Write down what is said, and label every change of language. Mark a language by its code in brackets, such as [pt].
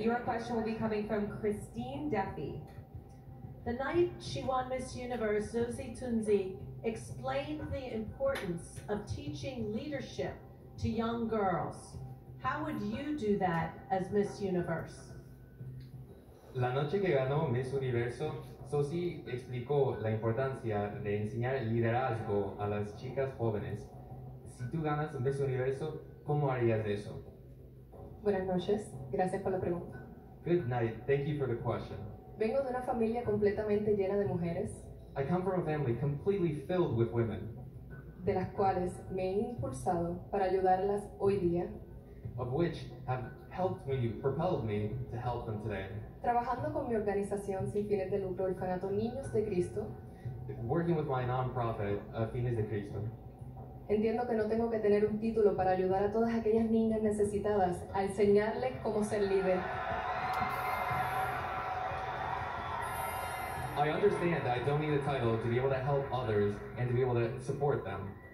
[en] your question will be coming from Christine Duffy. The night she won Miss Universe, Susie Tunzi explained the importance of teaching leadership to young girls. How would you do that as Miss Universe? [es] La noche que ganó Miss Universo, Susie explicó la importancia de enseñar liderazgo a las chicas jóvenes. Si tú ganas Miss Universo, ¿cómo harías eso? Buenas noches. Gracias por la pregunta. [en] Good night. Thank you for the question. [es] Vengo de una familia completamente llena de mujeres. [en] I come from a family completely filled with women. [es] De las cuales me he impulsado para ayudarlas hoy día. [en] Of which have helped me, propelled me to help them today. [es] Trabajando con mi organización sin fines de lucro, Orfanato Niños de Cristo. [en] Working with my non-profit, Fines de Cristo. [es] Entiendo que no tengo que tener un título para ayudar a todas aquellas niñas necesitadas a enseñarles cómo ser libre. [en] I understand that I don't need a title to be able to help others and to be able to support them.